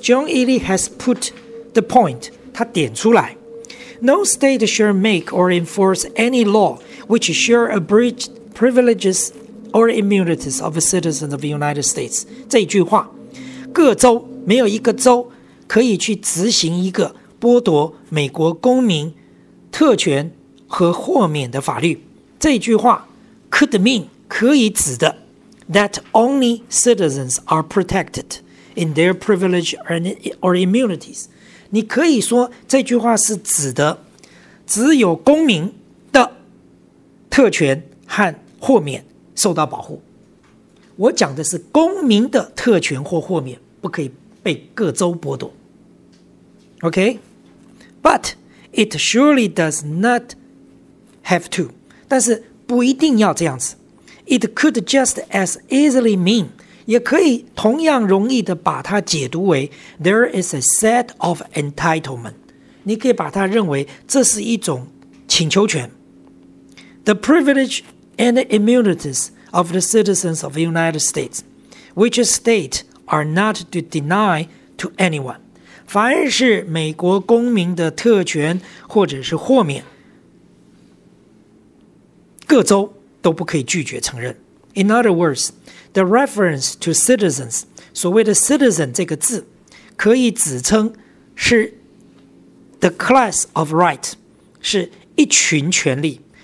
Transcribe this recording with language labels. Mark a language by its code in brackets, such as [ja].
[en] John Ely has put the point， [zh] 他点出来 [en] No state shall make or enforce any lawwhich shall abridge privileges or immunities of a citizen of the United States. [zh] 这句话，各州没有一个州可以去执行一个剥夺美国公民特权和豁免的法律。这句话 [en] could mean [zh] 可以指的 [en] that only citizens are protected in their privilege or immunities. [zh] 你可以说这句话是指的只有公民特权和豁免受到保护，我讲的是公民的特权或豁免不可以被各州剥夺。 [en] OK， But it surely does not have to， [zh] 但是不一定要这样子。 [en] It could just as easily mean， [zh] 也可以同样容易的把它解读为 [en] There is a set of entitlement， [zh] 你可以把它认为这是一种请求权。 [en] The privilege and immunities of the citizens of the United States, which state are not to deny to anyone. [zh] 凡是美国公民的特权或者是豁免，各州都不可以拒绝承认。 [en] In other words, the reference to citizens, [zh] 所谓的 [en] citizen [zh] 这个字，可以指称是 [en] the class of right, [zh] 是一群权利。